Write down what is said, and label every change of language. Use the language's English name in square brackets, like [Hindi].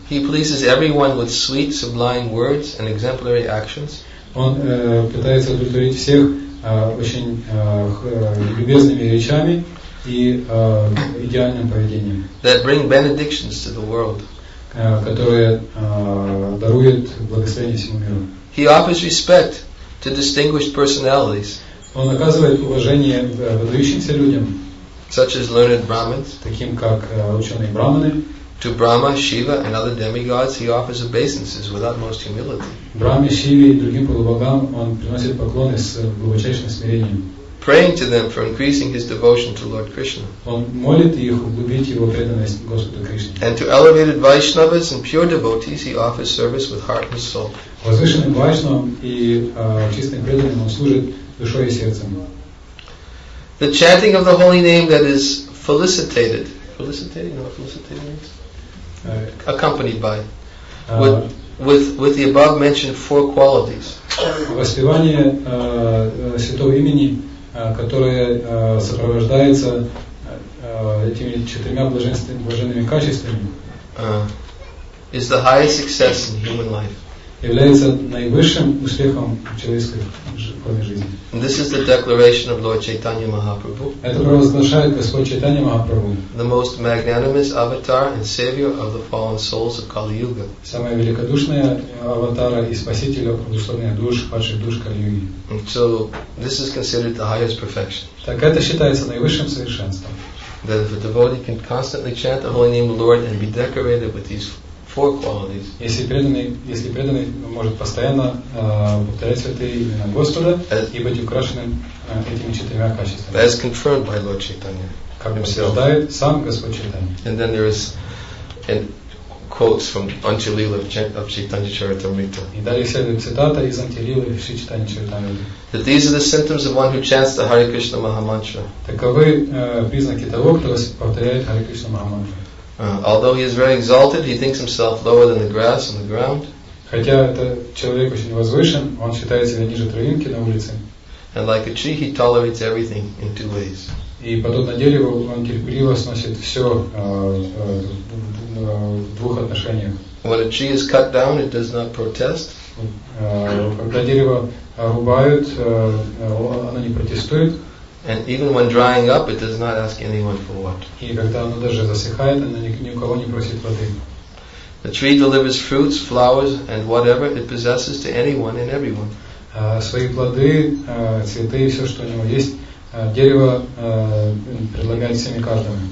[English] He pleases everyone with sweet, sublime words and exemplary actions. [Russian] Он пытается удовлетворить всех любезными речами и идеальным поведением. [English] That bring benedictions to the world. [Russian] Которые даруют благословение всему миру. [English] He offers respect to distinguished personalities. [Russian] Он оказывает уважение выдающимся людям, [English] such as learned Brahmins, [Russian] таким как ученые Брахманы. [English] To Brahma, Shiva, and other demigods, he offers obeisances with utmost humility. [Russian] Брахме, Шиве и другим полубогам он приносит поклоны с глубочайшим смирением. [English] praying to them for increasing his devotion to Lord Krishna. [Russian] Он молит их углубить его преданность Господу Кришне. [English] And to elevated Vaishnavas and pure devotees, he offers service with heart and soul. [Russian] Возвышенным Вайшнавам и чистым преданным он служит душой и сердцем. [English] The chanting of the holy name that is felicitated, felicitating, or felicitating, accompanied by, with the above mentioned four qualities. [Russian] Воспевание святого имени, которое сопровождается этими четырьмя блаженными качествами, [English] is the highest success in human life. [Russian] Является наивысшим успехом в человеческой жизни. [English] This is the declaration of Lord Chaitanya Mahaprabhu. [Russian] Это провозглашает Господь Чайтанья Махапрабху. [English] The most magnanimous avatar and savior of the fallen souls of Kali Yuga. [Russian] Самый великодушный аватар и спаситель условных душ, падших душ Кали-Юги. [English] So this is considered the highest perfection. [Russian] Так это считается наивысшим совершенством. [English] That if a devotee can constantly chant the holy name of the Lord and be decorated with these four qualities. [Russian] Если преданный может постоянно повторять святые имена Господа и быть украшенным этими четырьмя качествами. [English] As confirmed by Lord Chaitanya. [Russian] Как подтверждает сам Господь Чайтанья. [English] And then there is in quotes from Anchalila of Chaitanya Charitamrita. [Russian] И далее следует цитата из Анчалилы Шри Чайтанья Чаритамриты. [English] That these are the symptoms of one who chants the Hare Krishna Mahamantra. [Russian] Таковы признаки того, кто повторяет Hare Krishna Mahamantra. [English] Although he is very exalted, he thinks himself lower than the grass on the ground. [Russian] Хотя этот человек очень возвышен, он считает себя ниже травинки на улице. [English] And like a tree, he tolerates everything in two ways. [Russian] И подобно дереву, он терпеливо сносит все в двух отношениях. [English] When a tree is cut down, it does not protest. [Russian] Когда дерево рубают, оно не протестует. [English] And even when drying up, it does not ask anyone for water. [Russian] И когда оно даже засыхает, оно ни у кого не просит воды. [English] The tree delivers fruits, flowers, and whatever it possesses to anyone and everyone. [Russian] Свои плоды, цветы и все, что у него есть, дерево предлагает всем и каждому.